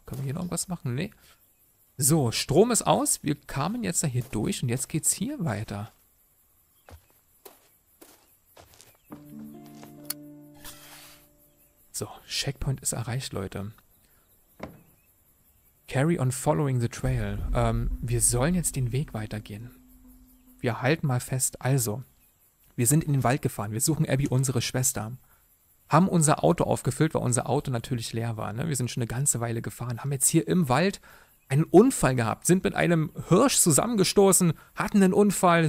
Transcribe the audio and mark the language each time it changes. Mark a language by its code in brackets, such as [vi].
[de] Können wir hier noch irgendwas machen? Nee. So, Strom ist aus. Wir kamen jetzt da hier durch und jetzt geht's hier weiter. So. So, Checkpoint ist erreicht, Leute. [en] Carry on following the trail. [de] Wir sollen jetzt den Weg weitergehen. Wir halten mal fest. Also, wir sind in den Wald gefahren. Wir suchen Abby, unsere Schwester. Haben unser Auto aufgefüllt, weil unser Auto natürlich leer war. Ne? Wir sind schon eine ganze Weile gefahren. Haben jetzt hier im Wald einen Unfall gehabt. Sind mit einem Hirsch zusammengestoßen. Hatten einen Unfall.